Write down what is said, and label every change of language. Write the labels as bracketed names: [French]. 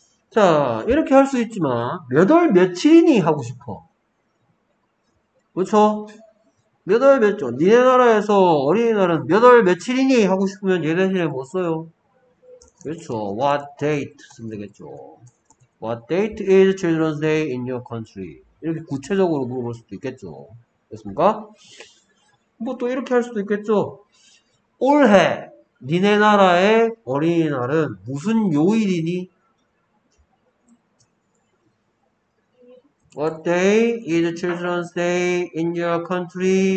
[Korean] 자 이렇게 할 수 있지만 몇 월 며칠이니 하고 싶어. 그렇죠? 몇 월 며칠? 니네 나라에서 어린이날은 몇 월 며칠이니 하고 싶으면 얘 대신에 뭐 써요? 그렇죠. [English] What date [Korean] 쓰면 되겠죠. [English] What date is Children's Day in your country? [Korean] 이렇게 구체적으로 물어볼 수도 있겠죠. 됐습니까? 뭐 또 이렇게 할 수도 있겠죠. 올해 니네 나라의 어린이날은 무슨 요일이니? [English] What day is Children's Day in your country?